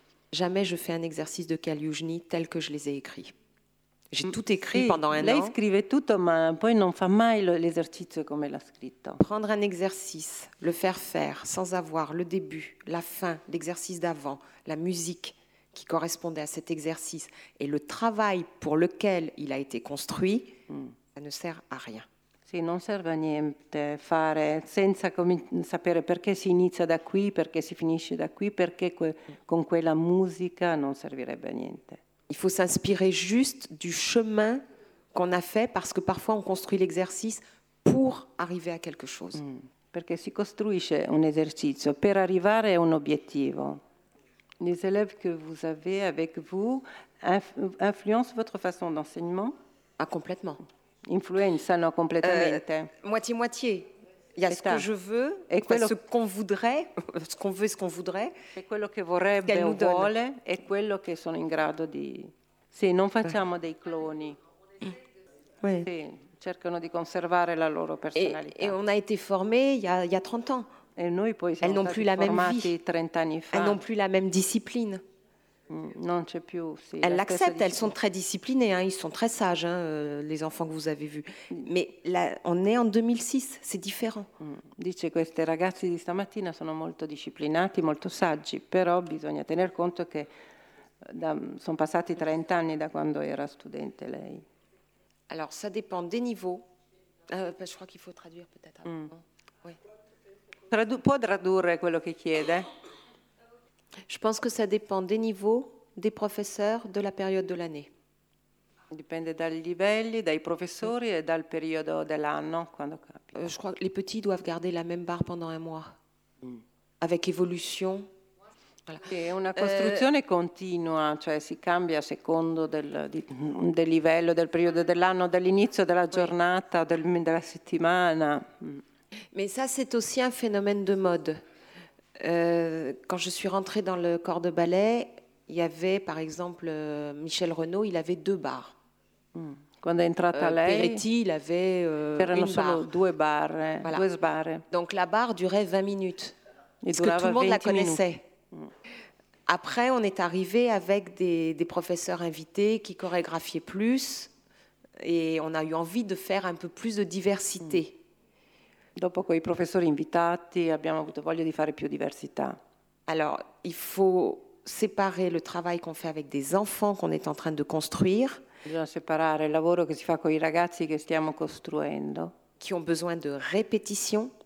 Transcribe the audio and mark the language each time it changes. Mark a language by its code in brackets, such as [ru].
[fr] Jamais je fais un exercice de Kaliouzhny tel que je les ai écrits. J'ai tout écrit pendant un an. [it] Lei scrive tutto, ma poi non fa mai l'esercizio come l'ha scritto. [fr] Prendre un exercice, le faire sans avoir le début, la fin, l'exercice d'avant, la musique qui correspondait à cet exercice et le travail pour lequel il a été construit, ça ne sert à rien. [it] Sì, non serve a niente fare senza sapere perché si inizia da qui, perché si finisce da qui, perché con quella musica non servirebbe a niente. [fr] Il faut s'inspirer juste du chemin qu'on a fait parce que parfois on construit l'exercice pour arriver à quelque chose. [it] Perché si costruisce un esercizio per arrivare a un obiettivo. [fr] Les élèves que vous avez avec vous influencent votre façon d'enseignement? Ah, complètement. [it] Influenzano completamente. [fr] Moitié-moitié. Il y a ce que je veux, et quello... ce qu'on voudrait, ce qu'on veut, ce qu'on voudrait. [it] E quello che vorrebbe o vuole è quello che sono in grado di... Sì, non facciamo dei cloni. [fr] Oui. [it] Sì, cercano di conservare la loro personalità. [fr] Et on a été formé il y a 30 ans. [it] Et noi poi siamo [fr] elles n'ont plus la même vie. [it] 30 anni fa. [fr] Elles n'ont plus la même discipline. [it] Non c'è più, sì, [fr] elles l'acceptent, elles sont très disciplinées, hein, ils sont très sages, hein, les enfants que vous avez vus. Mais là, on est en 2006, c'est différent. [it] Dice queste ragazze di stamattina sono molto disciplinati, molto saggi, però bisogna tener conto che sono passati 30 anni da quando era studente lei. [fr] Alors ça dépend des niveaux. Je crois qu'il faut traduire peut-être. Oui. [it] Può tradurre quello che chiede? [fr] Je pense que ça dépend des niveaux, des professeurs, de la période de l'année. [it] Dipende dai livelli, dai professori e dal periodo dell'anno quando capita. [fr] Je crois que les petits doivent garder la même barre pendant un mois, avec évolution. Voilà. [it] È una costruzione continua, cioè si cambia a secondo del livello, del periodo dell'anno, dall'inizio della giornata, della settimana. [fr] Mais ça, c'est aussi un phénomène de mode. Quand je suis rentrée dans le corps de ballet, il y avait, par exemple, Michel Renaud, il avait deux barres. Quand est entrée Peretti, il avait deux barres. Donc la barre durait 20 minutes. Parce que tout le monde la connaissait. Après, on est arrivé avec des professeurs invités qui chorégraphiaient plus. Et on a eu envie de faire un peu plus de diversité. [it] Dopo quei professori invitati abbiamo avuto voglia di fare più diversità. [fr] Alors, il faut séparer le travail qu'on fait avec des enfants qu'on est en train de construire. [it] Bisogna separare il lavoro che si fa con i ragazzi che stiamo costruendo. [fr] Qui ont besoin de répétition.